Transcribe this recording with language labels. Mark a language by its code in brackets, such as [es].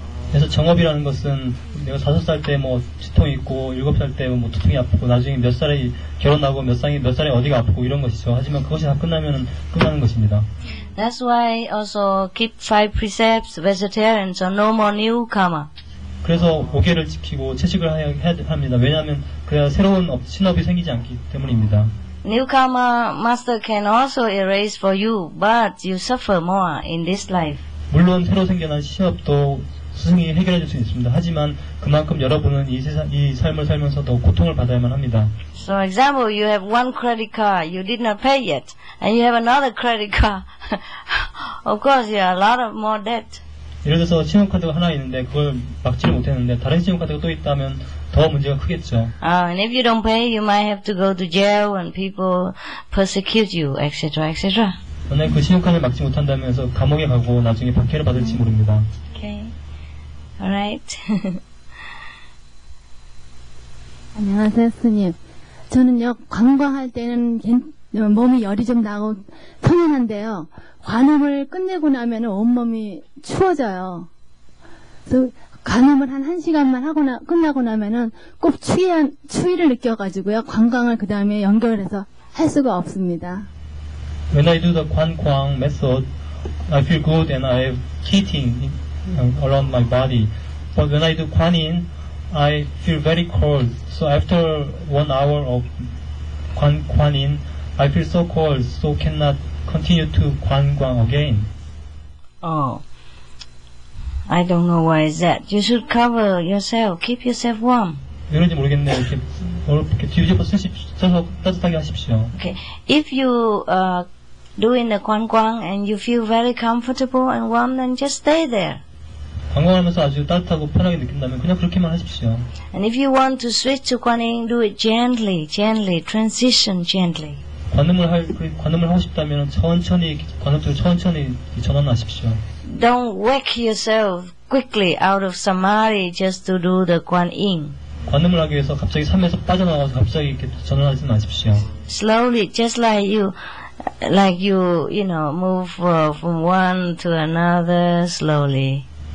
[ko] 그래서 정업이라는 것은 내가 5살 때 뭐 치통 있고 7살 때 뭐 두통이 아프고 나중에 몇 살에 결혼하고 몇 살에 어디가 아프고 이런 것이죠. 하지만 그것이 다 끝나면은 끝나는 것입니다. [en] That's why also keep 5 precepts vegetarian so no more new karma. [ko] 그래서 오계를 지키고 채식을 해야 합니다. 왜냐하면 그래야 새로운 신업이 생기지 않기 때문입니다. [en] New karma master can also erase for you, but you suffer more in this life. [ko] 물론 새로 생겨난 신업도 스승이 해결해 줄 수 있습니다. 하지만 그만큼 여러분은 이 삶을 살면서 더 고통을 받아야만 합니다. [en] So example, you have one credit card you did not pay yet, and you have another credit card. Of course, you have a lot of more debt. [ko] 예를 들어서 신용카드가 하나 있는데 그걸 막지를 못했는데 다른 신용카드가 또 있다면 더 문제가 크겠죠. [en] And if you don't pay, you might have to go to jail and people persecute you, etc., etc. [ko] 만약 그 신용카드를 막지 못한다면서 감옥에 가고 나중에 박해를 받을지 모릅니다. [en] Alright. [ko] 안녕하세요, 스님. 저는요, 관광할 때는 몸이 열이 좀 나고 편안한데요. 관음을 끝내고 나면 온몸이 추워져요. 그래서 관음을 한 시간만 하고 끝나고 나면은 꼭 추위를 느껴가지고요. 관광을 그 다음에 연결해서 할 수가 없습니다. [en] When I do the 관광 method, I feel good and I have heating. Around my body, but when I do Guanyin, I feel very cold. So after 1 hour of Guanyin, I feel so cold, so cannot continue to Guanguang again. Oh, I don't know why is that. You should cover yourself, keep yourself warm. [ko] 이런지 모르겠네. 이렇게 뒤집어 쓰셔서 따뜻하게 하십시오. [en] Okay, if you doing the Guanguang and you feel very comfortable and warm, then just stay there. [ko] 관광하면서 아주 따뜻하고 편하게 느낀다면 그냥 그렇게만 하십시오. [en] And if you want to switch to Guanyin, do it gently, transition gently. [ko] 관음을 하고 싶다면 천천히 관음 쪽으로 천천히 전환하십시오. [en] Don't wake yourself quickly out of samadhi just to do the Guanyin. [ko] 관음을 하기 위해서 갑자기 삶에서 빠져나와서 갑자기 이렇게 전환하지 마십시오. [en] Slowly, just like you. Like you, you know, move from one to another slowly.